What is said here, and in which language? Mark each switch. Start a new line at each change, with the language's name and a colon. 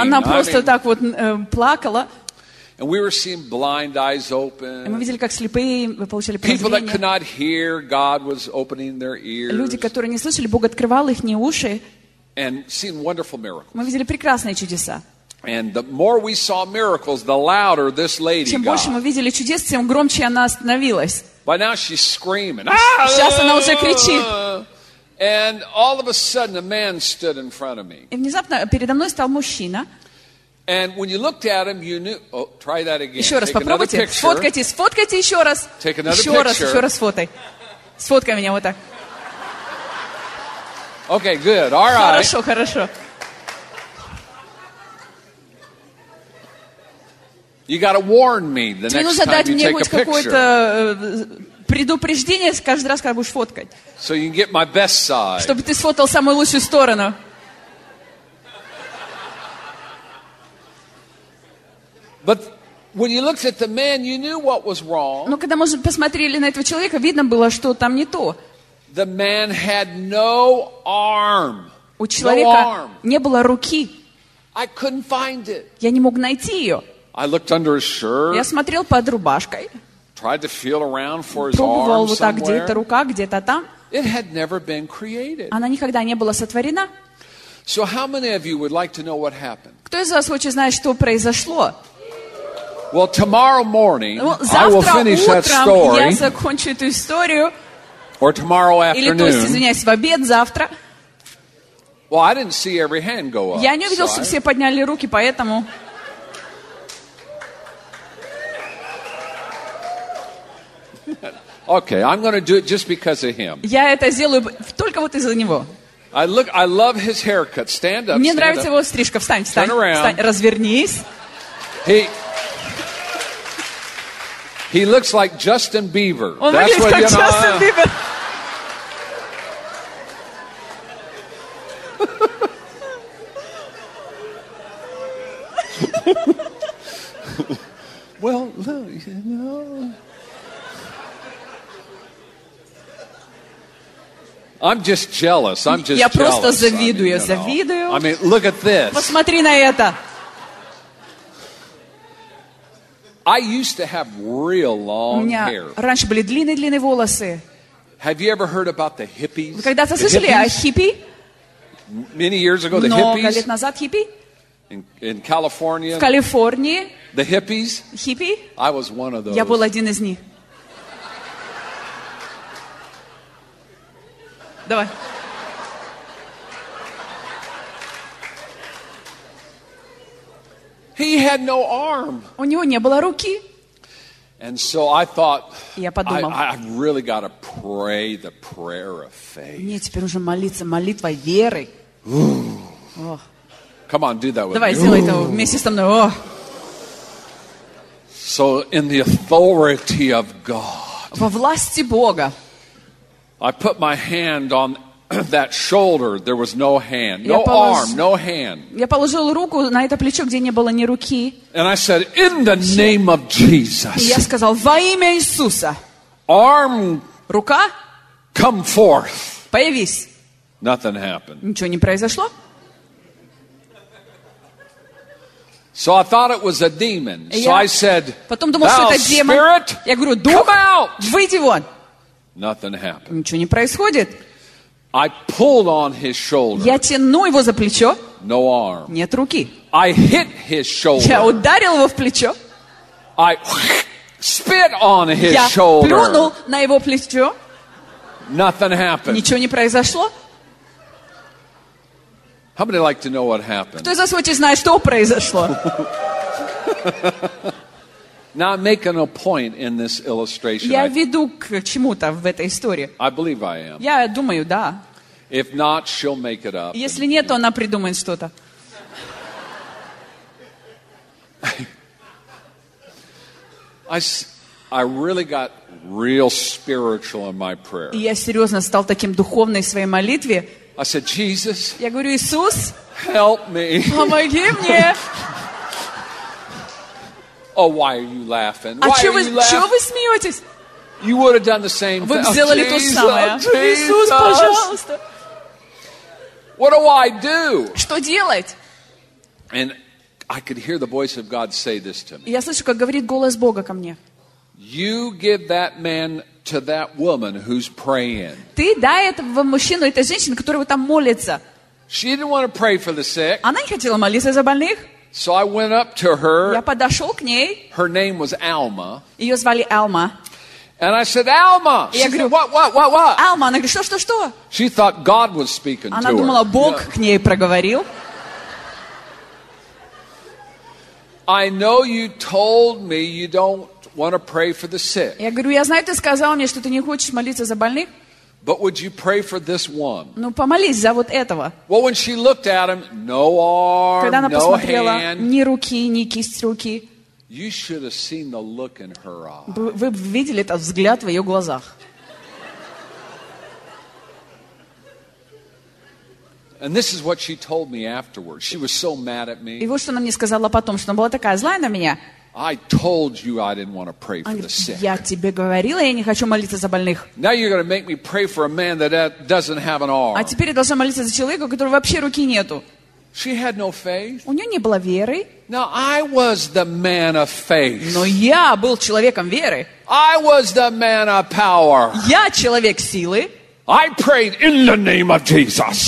Russian: Она просто так вот плакала.
English: And we were seeing blind eyes open.
Russian: Мы видели, как слепые получали прозрение.
English: People that could not hear, God was opening their ears.
Russian: Люди, которые не слышали, Бог открывал их уши.
English: And seeing wonderful miracles.
Russian: Мы видели прекрасные чудеса.
English: And the more we saw miracles, the louder this lady got.
Russian: Чем больше мы видели чудес, тем громче она становилась.
English: By now she's screaming.
Russian: Сейчас она уже кричит.
English: And all of a sudden, a man stood in front of me.
Russian: И внезапно передо мной стал мужчина.
English: And when you looked at him, you knew. Oh, try that again.
Russian: Еще раз попробуйте. Сфоткайте еще раз.
English: Take another picture.
Russian: Еще раз сфоткай. Сфоткай меня вот так.
English: Okay, good. All right.
Russian: Хорошо.
English: You got to warn me the next time you take a picture.
Russian: Тебе нужно дать мне хоть какое-то предупреждение каждый раз, когда будешь фоткать.
English: So you can get my best side.
Russian: Чтобы ты сфоткал самую лучшую сторону.
English: But when you looked at the man, you knew what was wrong.
Russian: Но когда мы посмотрели на этого человека, видно было, что там не то.
English: The man had no arm.
Russian: У человека не было руки.
English: I couldn't find it.
Russian: Я не мог найти ее.
English: I looked under his shirt.
Russian: Я смотрел под рубашкой.
English: Tried to feel around for his arm somewhere.
Russian: Пробовал вот так, где-то рука, где-то там.
English: It had never been created.
Russian: Она никогда не была сотворена.
English: So how many of you would like to know what happened?
Russian: Кто из вас хочет знать, что произошло?
English: Well, tomorrow morning, I will finish that story.
Russian: Завтра утром я закончу эту историю.
English: Or tomorrow afternoon.
Russian: Или, то есть, извиняюсь, в обед завтра.
English: Well, I didn't see every hand go up.
Russian: Я не увидел, что все подняли руки, поэтому...
English: Okay, I'm going to do it just because of him.
Russian: Я это сделаю только вот из-за него.
English: I love his haircut. Stand up.
Russian: Мне нравится его стрижка. Встань.
English: Turn around.
Russian: Развернись.
English: He looks like Justin Bieber.
Russian: Он выглядит как Justin Bieber.
English: Well, look, you know. I'm just jealous. I'm just
Russian: я
English: jealous.
Russian: Просто завидую,
English: I mean,
Russian: завидую.
English: I mean, look at this.
Russian: Посмотри на это.
English: I used to have real long hair.
Russian: У меня раньше были длинные волосы.
English: Have you ever heard about the hippies?
Russian: Вы когда-то слышали о хиппи?
English: Many years ago, the
Russian: много
English: hippies.
Russian: Много лет назад хиппи?
English: In California.
Russian: В Калифорнии.
English: The hippies.
Russian: Хиппи.
English: I was one of those.
Russian: Я был один из них. Давай.
English: He had no arm.
Russian: У него не было руки.
English: And so I thought,
Russian: я подумал,
English: I really got to pray the prayer of faith.
Russian: Мне теперь уже молиться молитвой веры.
English: Oh. Come on, do that with
Russian: Давай,
English: me.
Russian: Давай, сделай это вместе со мной. Oh.
English: So in the authority of God.
Russian: Во власти Бога.
English: I put my hand on that shoulder. There was no hand, no arm, no hand.
Russian: Я положил руку на это плечо, где не было ни руки.
English: And I said, in the name of Jesus.
Russian: И я сказал, во имя Иисуса.
English: Arm.
Russian: Рука.
English: Come forth.
Russian: Появись.
English: Nothing happened.
Russian: Ничего не произошло.
English: So I thought it was a demon. So I said,
Russian: потом думал, что это демон.
English: Spirit,
Russian: я говорю, дух,
English: come out.
Russian: Выйди вон.
English: Nothing happened.
Russian: Ничего не происходит.
English: I pulled on his shoulder.
Russian: Я тяну его за плечо.
English: No arm.
Russian: Нет руки.
English: I hit his shoulder.
Russian: Я ударил его в плечо.
English: I spit on his
Russian: Я
English: shoulder.
Russian: Плюнул на его плечо.
English: Nothing happened.
Russian: Ничего не произошло.
English: How many like to know what happened?
Russian: Кто из вас хочет знать, что произошло?
English: Now I'm making a point in this illustration.
Russian: Я веду к чему-то в этой истории.
English: I believe I am.
Russian: Я думаю, да.
English: If not, she'll make it up.
Russian: Если нет, то она придумает что-то.
English: I really got real spiritual in my prayer.
Russian: Я серьезно стал таким духовным в своей молитве.
English: I said, Jesus.
Russian: Я говорю, Иисус.
English: Help me.
Russian: Помоги мне.
English: Oh, why are you laughing?
Russian: А чего вы смеетесь?
English: You would have done the same thing.
Russian: Вы сделали то же самое.
English: Jesus,
Russian: пожалуйста.
English: What do I do?
Russian: Что делать?
English: And I could hear the voice of God say this to me.
Russian: Я слышу, как говорит голос Бога ко мне.
English: You give that man to that woman who's praying.
Russian: Ты дай этого мужчину этой женщине, которая там молится.
English: She didn't want to pray for the sick.
Russian: Она не хотела молиться за больных.
English: So I went up to her.
Russian: Я подошел к ней.
English: Her name was Alma.
Russian: Ее звали Алма.
English: And I said, Alma.
Russian: И я говорю,
English: what?
Russian: Алма, она говорит, что?
English: She thought God was speaking
Russian: она
English: to her.
Russian: Она думала, Бог к ней проговорил.
English: I know you told me you don't want to pray for the sick.
Russian: Я говорю, я знаю, ты сказал мне, что ты не хочешь молиться за больных.
English: But would you pray for this one?
Russian: Ну, помолись за вот этого.
English: Well, when she looked at him, no arm,
Russian: Когда она
English: no
Russian: посмотрела,
English: hand,
Russian: ни руки, ни кисть руки.
English: You should have seen the look in her eye.
Russian: Вы бы видели этот взгляд в ее глазах.
English: And this is what she told me afterwards. She was so mad at me.
Russian: И вот что она мне сказала потом, что она была такая злая на меня.
English: I told you I didn't want to pray for the sick.
Russian: Я тебе говорила, я не хочу молиться за больных.
English: Now you're going to make me pray for a man that doesn't have an arm.
Russian: А теперь я должна молиться за человека, у которого вообще руки нету.
English: She had no faith.
Russian: У нее не было веры.
English: Now I was the man of faith.
Russian: Но я был человеком веры.
English: I was the man of power.
Russian: Я человек силы.
English: I prayed in the name of Jesus.